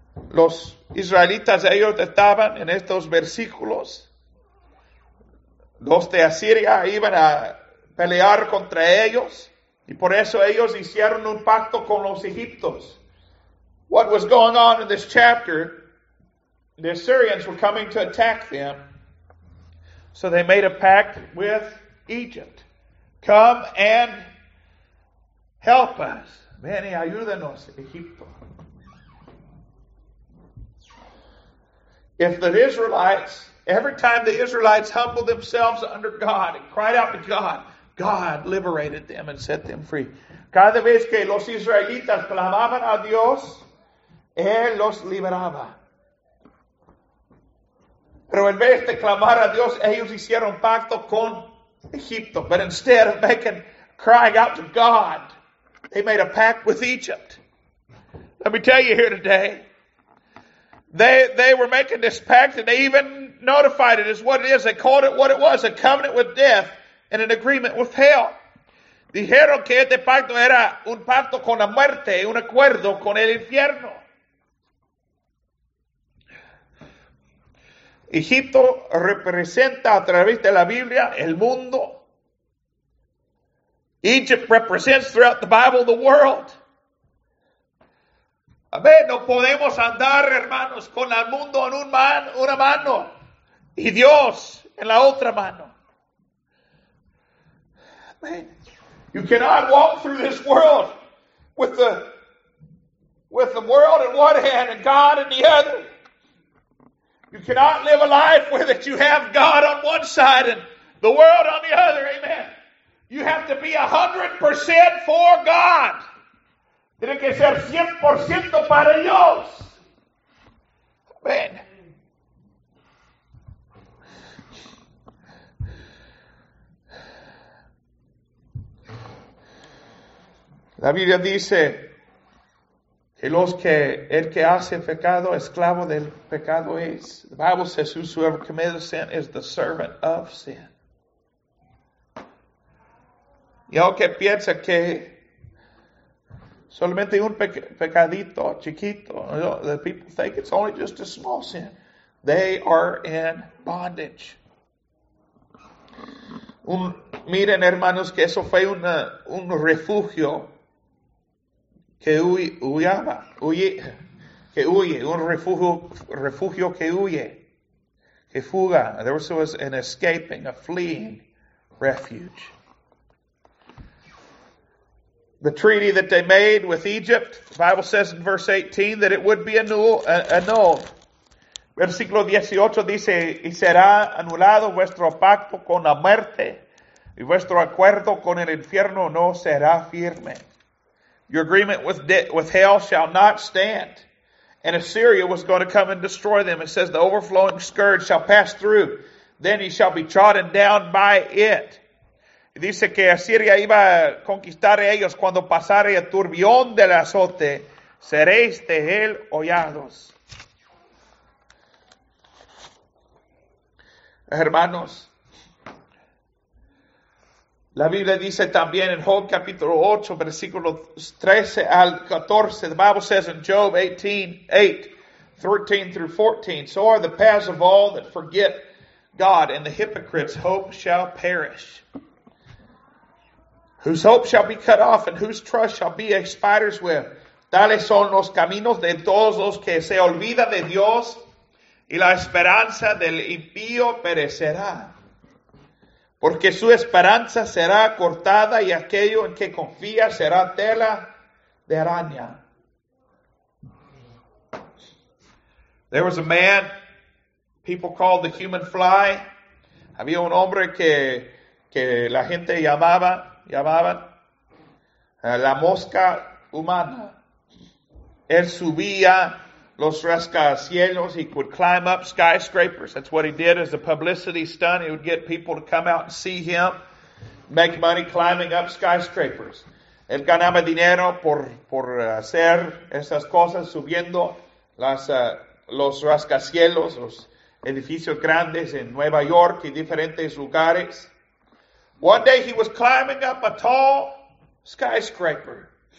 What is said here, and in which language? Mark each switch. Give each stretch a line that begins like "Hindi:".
Spanish: Los israelitas, ellos estaban en estos versículos. Los de Asiria iban a pelear contra ellos, y por eso ellos hicieron un pacto con los egipcios.
English: What was going on in this chapter? The Assyrians were coming to attack them, so they made a pact with Egypt. Come and help us.
Spanish: Ven y ayúdanos, Egipto.
English: Every time the Israelites humbled themselves under God and cried out to God, God liberated them and set them free.
Spanish: Cada vez que los israelitas clamaban a Dios, Él los liberaba. Pero en vez de clamar a Dios, ellos hicieron pacto con Egipto.
English: But instead of crying out to God, they made a pact with Egypt. Let me tell you here today, they were making this pact, and they even notified it as what it is. They called it what it was, a covenant with death. And an agreement with hell.
Spanish: Dijeron que este pacto era un pacto con la muerte, un acuerdo con el infierno. Egipto representa a través de la Biblia el mundo.
English: Egypt represents throughout the Bible the world.
Spanish: Amén. No podemos andar, hermanos, con el mundo en una mano y Dios en la otra mano. Amén.
English: You cannot walk through this world with the world in one hand and God in the other. You cannot live a life where that you have God on one side and the world on the other. Amen. You have to be 100% for God.
Spanish: Tiene que ser 100% para Dios. Amen. La Biblia dice que los que el que hace pecado, esclavo del pecado es.
English: The Bible says whosoever commits sin is the servant of sin.
Spanish: Y aunque piensa que solamente un pecadito chiquito,
English: you know, the people think it's only just a small sin. They are in bondage.
Spanish: Miren, hermanos, que eso fue un refugio que fuga.
English: There was an escaping, a fleeing refuge. The treaty that they made with Egypt, the Bible says in verse 18 that it would be annulled.
Spanish: Versículo 18 dice, y será anulado vuestro pacto con la muerte, y vuestro acuerdo con el infierno no será firme.
English: Your agreement with hell shall not stand. And Assyria was going to come and destroy them. It says, the overflowing scourge shall pass through. Then he shall be trodden down by it.
Spanish: Dice que Asiria iba a conquistar a ellos cuando pasare el turbión del azote. Seréis de él hollados. Hermanos, la Biblia dice también en Job capítulo 8, versículos 13 al 14.
English: The Bible says in Job 18:8-14, so are the paths of all that forget God, and the hypocrite's hope shall perish. Whose hope shall be cut off, and whose trust shall be a spider's web.
Spanish: Tales son los caminos de todos los que se olvida de Dios, y la esperanza del impío perecerá. Porque su esperanza será cortada, y aquello en que confía será tela de araña.
English: There was a man, people called the human fly.
Spanish: Había un hombre que la gente llamaban la mosca humana. Él subía los rascacielos.
English: He could climb up skyscrapers. That's what he did as a publicity stunt. He would get people to come out and see him, make money climbing up skyscrapers.
Spanish: Él ganaba dinero por hacer esas cosas, subiendo los rascacielos, los edificios grandes en Nueva York y diferentes lugares.
English: One day he was climbing up a tall skyscraper.